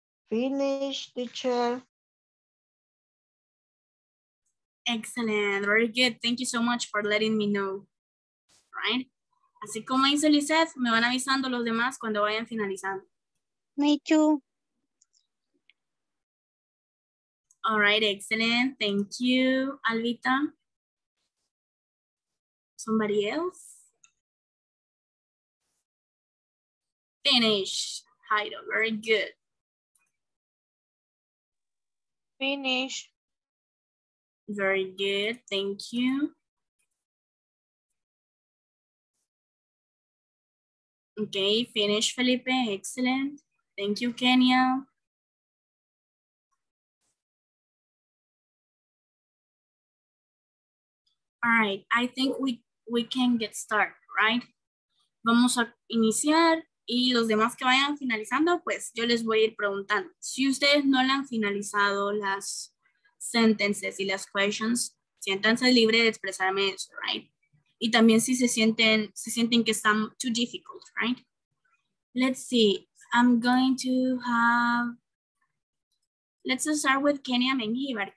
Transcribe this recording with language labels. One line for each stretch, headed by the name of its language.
English: Finish, teacher. Excellent, very good. Thank you so much for letting me know. Right?
Spanish: Así como dice Lizeth, me van avisando los demás cuando vayan finalizando.
English: Me too. All right, excellent. Thank you, Alvita. Somebody else? Finish, Jairo, very good. Finish. Very good, thank you. Okay, finish, Felipe, excellent. Thank you, Kenya. All right, I think we can get started, right?
Spanish: Vamos a iniciar y los demás que vayan finalizando, pues yo les voy a ir preguntando. Si ustedes no la han finalizado las sentences y las questions, siéntanse libre de expresarme eso, right? Y también si se sienten que están
English: too difficult,
Spanish: right?
English: Let's see, I'm going to have, let's start with Kenya Mengibar.